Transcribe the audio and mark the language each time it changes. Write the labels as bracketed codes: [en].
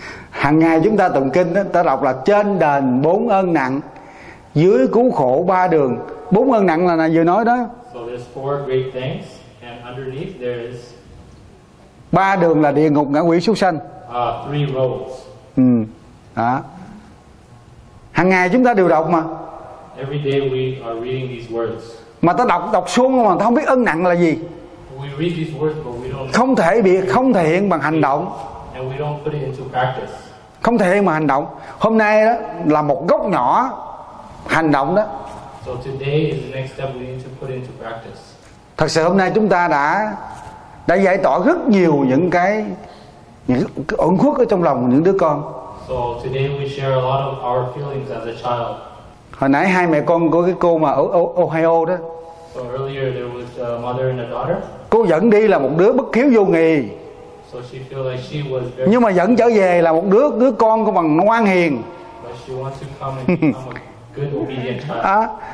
[vi] Hàng ngày chúng ta tụng kinh ta đọc là trên đền bốn ơn nặng, dưới cứu khổ ba đường. Bốn ơn nặng là vừa nói đó. [en] So there's four great things, and underneath there is [vi] ba đường là địa ngục, ngã quỷ, súc sanh. [en] Three roads. [vi] Đó. Hàng ngày chúng ta đều đọc mà. [en] Every day we are reading these words. [vi] Mà ta đọc xuống mà ta không biết ân nặng là gì. [en] We read these words, but we don't. [vi] Không thể bị không thể hiện bằng hành động. [en] And we don't put it into practice. [vi] Không thể hiện bằng hành động. Hôm nay đó là một góc nhỏ hành động đó. [en] So today is the next step we need to put into practice. [vi] Thật sự hôm nay chúng ta đã giải tỏa rất nhiều những cái ẩn khuất ở trong lòng của những đứa con. [en] So today we share a lot of our feelings as a child. [vi] Hồi nãy hai mẹ con của cái cô mà ở Ohio đó. [en] So earlier there was a mother and a daughter. [vi] Cô dẫn đi là một đứa bất hiếu vô nghì. [en] So she feels like she was very. [vi] Nhưng mà dẫn trở về là một đứa con của bằng ngoan hiền. [en] But she wants to come and become a good obedient child.